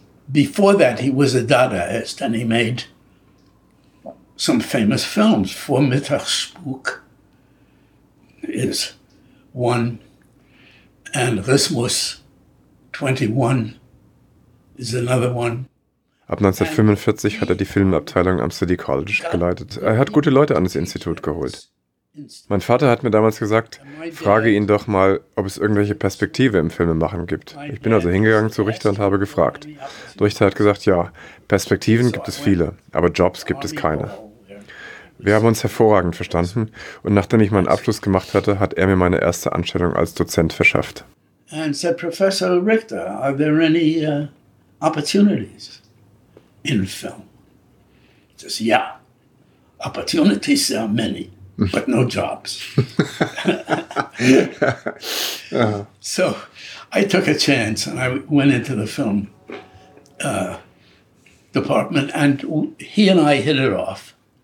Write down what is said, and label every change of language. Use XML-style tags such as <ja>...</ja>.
<en>Before that, he was a Dadaist and he made some famous films. Vormittagsspuk is one and Rhythmus 21 is another one.</en> <de>Ab 1945 hat er die Filmabteilung am City College geleitet. Er hat gute Leute an das Institut geholt. Mein Vater hat mir damals gesagt, frage ihn doch mal, ob es irgendwelche Perspektive im Filmemachen gibt. Ich bin also hingegangen zu Richter und habe gefragt. Richter hat gesagt, ja, Perspektiven gibt es viele, aber Jobs gibt es keine. Wir haben uns hervorragend verstanden und nachdem ich meinen Abschluss gemacht hatte, hat er mir meine erste Anstellung als Dozent verschafft.</de> <en>And said, Professor Richter, are there any opportunities? In film. He says, yeah, opportunities are many, but no jobs. So I took a chance and I went into the film department and he and I hit it off.</en>